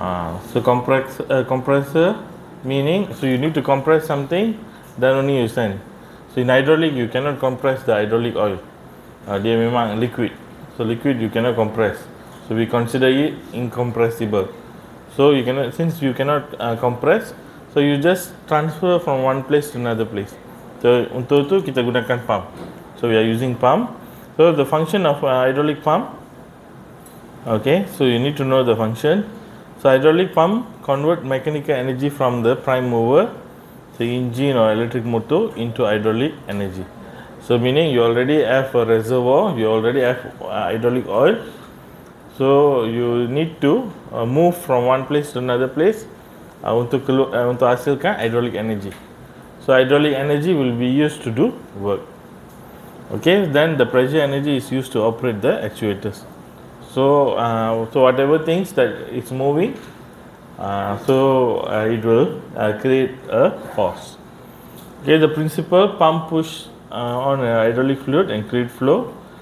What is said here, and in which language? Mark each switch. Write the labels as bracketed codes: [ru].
[en] Compressor meaning, so you need to compress something, then only you send. So in hydraulic you cannot compress the hydraulic oil, they memang liquid, so liquid you cannot compress, so we consider it incompressible. So you cannot, since you cannot compress, so you just transfer from one place to another place. [ms] So untuk itu kita gunakan pump. [en] So we are using pump. So the function of hydraulic pump. Okay, so you need to know the function. So hydraulic pump convert mechanical energy from the prime mover, the engine or electric motor, into hydraulic energy. So meaning you already have a reservoir, you already have hydraulic oil. So you need to move from one place to another place. [ms] Untuk hasilkan hydraulic energy. [en] So hydraulic energy will be used to do work. Okay, then the pressure energy is used to operate the actuators. So so whatever things that is moving, it will create a force. Okay, the principle pump push on hydraulic fluid and create flow.